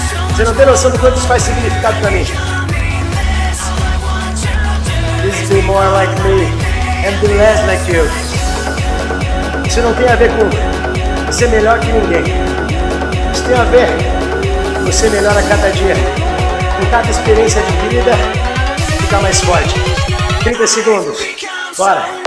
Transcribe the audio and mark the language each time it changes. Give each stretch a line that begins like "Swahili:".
Portuguese: Você não tem noção do quanto isso faz significado pra mim.
English: Please be more like me and be less like you.
Portuguese: Isso não tem a ver com ser melhor que ninguém. Isso tem a ver com ser melhor a cada dia. Com cada experiência adquirida, ficar mais forte. 30 segundos. Bora.